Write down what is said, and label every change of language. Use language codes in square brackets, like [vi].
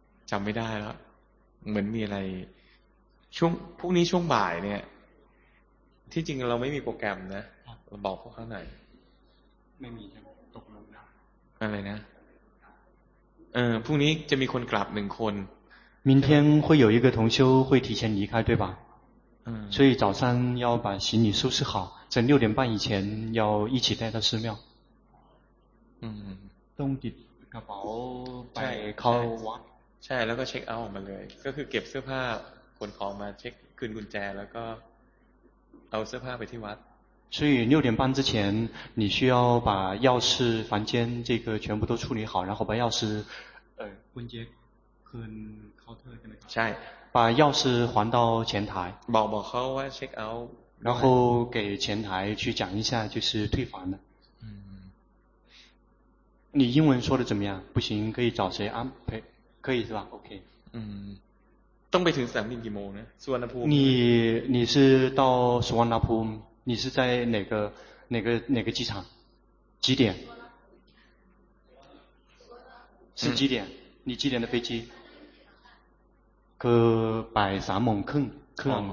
[th] จำไม่ได้แล้วเหมือนมีอะไรช่วงพรุ่งนี้ช่วงบ่ายเนี่ยที่จริงเราไม่มีโปรแกรมนะเราบอกพวกเขาหน่อย ไม่มีจะตกลง นะอะไรนะพรุ่งนี้จะมีคนกลับหนึ่งคน [zh] 明天会有一个同修会提前离开对吧所以早上要把行李收拾好在六点半以前要一起带到寺庙 [th] ต้องติดกระเป๋าไปเข้าวัด ใช่แล้วก็เช็คเอาท์ออกมาเลยก็คือเก็บเสื้อผ้าขนของมาเช็คคืนกุญแจแล้วก็เอาเสื้อผ้าไปที่วัด [zh] 所以六点半之前你需要把钥匙房间这个全部都处理好然后把钥匙 [th] กุญแจ คืนเคาน์เตอร์ใช่ไหม ใช่ [zh] 把钥匙还到前台 [th] บอกเขาว่าเช็คเอาท์ [zh] 然后给前台去讲一下就是退房的你英文说的怎么样不行可以找谁安排可以是吧 ？OK。 [th] ต้องไปถึงสนามบินกี่โมงนะสุวรรณภูมิ [zh] 你是到สุวรรณภูมิ你是在哪个机场？几点？是几点？你几点的飞机？ [th] คือไปสามโมงครึ่งครึ่ง